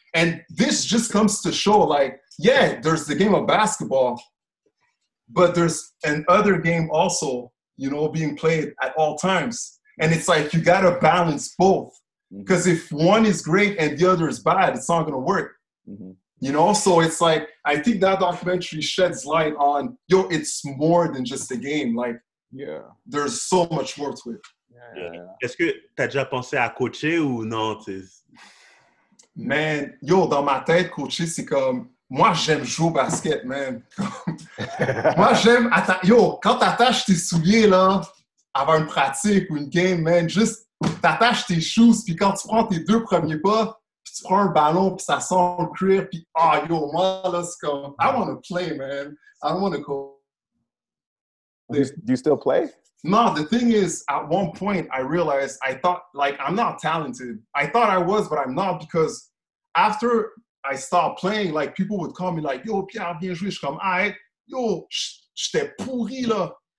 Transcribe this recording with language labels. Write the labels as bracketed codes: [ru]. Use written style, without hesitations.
[en] And this just comes to show, like, yeah, there's the game of basketball, but there's an other game also, you know, being played at all times. And it's like, you gotta balance both. Because if one is great and the other is bad, it's not gonna work. Mm-hmm. You know, so it's like, I think that documentary sheds light on, yo, it's more than just a game. Like, there's so much more to it. Yeah. [fr] Est-ce que t'as déjà pensé à coacher ou non? Man, yo, dans ma tête, coacher, c'est comme, moi, j'aime jouer au basket, man. Moi, j'aime, yo, quand t'attaches tes souliers, là, avant une pratique ou une game, man, juste, t'attaches tes shoes, puis quand tu prends tes deux premiers pas, tu prends un ballon, puis ça sent le cuir, puis ah, oh, yo, moi, là, c'est comme, [en] I want to play, man. I don't want to go. Do you still play? No, the thing is, at one point I realized, I thought, like, I'm not talented. I thought I was, but I'm not, because after I stopped playing, like, people would call me like, yo, Pierre, [fr] bien joué. Je comme, ah, yo, j'étais pourri, là.